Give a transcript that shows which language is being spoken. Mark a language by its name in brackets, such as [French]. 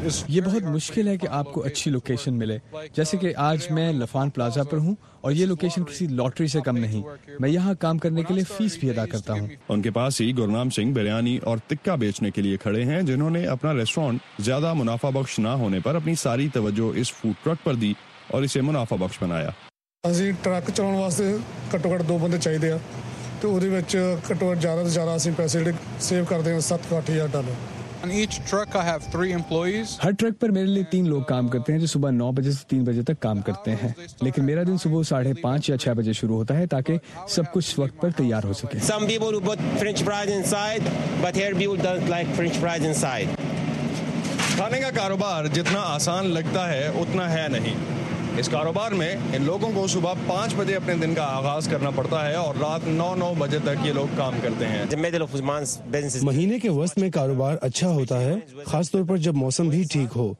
[Hindi] ये बहुत मुश्किल है कि आपको अच्छी लोकेशन मिले, जैसे कि आज मैं लफान प्लाजा पर हूँ और ये लोकेशन किसी लॉटरी से कम नहीं। मैं यहाँ काम करने के लिए फीस भी अदा करता हूँ। उनके पास ही गुरनाम सिंह बिरयानी और टिक्का बेचने के लिए खड़े हैं, जिन्होंने अपना रेस्टोरेंट ज्यादा मुनाफा बख्श ना होने पर अपनी सारी तवज्जो इस फूड ट्रक पर दी और इसे मुनाफा बख्श बनाया। [Punjabi] ट्रक चलाने वास्ते घट्टो घट्ट 2 बंदे चाहिए, तो ਉਹਦੇ ਵਿੱਚ ਘੱਟੋ ਜ਼ਿਆਦਾ ਤੋਂ ਜ਼ਿਆਦਾ ਅਸੀਂ ਪੈਸੇ ਜਿਹੜੇ ਸੇਵ ਕਰਦੇ ਹਾਂ $7,000-$8,000। [Hindi] हर ट्रक पर मेरे लिए 3 लोग काम करते हैं जो सुबह 9 बजे से 3 बजे तक काम करते हैं, लेकिन मेरा दिन सुबह 5:30 या 6 बजे शुरू होता है ताकि सब कुछ वक्त पर तैयार हो सके। [English] Some people who put French fries inside, but here people don't like French fries inside. [Hindi] खाने का कारोबार जितना आसान लगता है उतना है नहीं। इस कारोबार में इन लोगों को सुबह 5 बजे अपने दिन का आगाज करना पड़ता है और रात 9-9 बजे तक ये लोग काम करते हैं। महीने के वस्त में कारोबार अच्छा होता है, खास तौर पर जब मौसम भी ठीक हो।